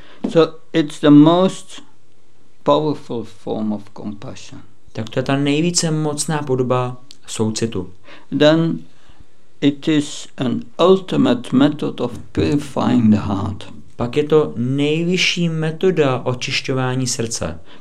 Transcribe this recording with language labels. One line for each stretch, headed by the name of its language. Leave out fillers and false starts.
English: So it's the most powerful form of compassion.
Czech: Tak to je ta nejvíce mocná podoba soucitu.
English: Then it is an ultimate method of purifying the heart.
Czech: Pak je to nejvyšší metoda očišťování srdce.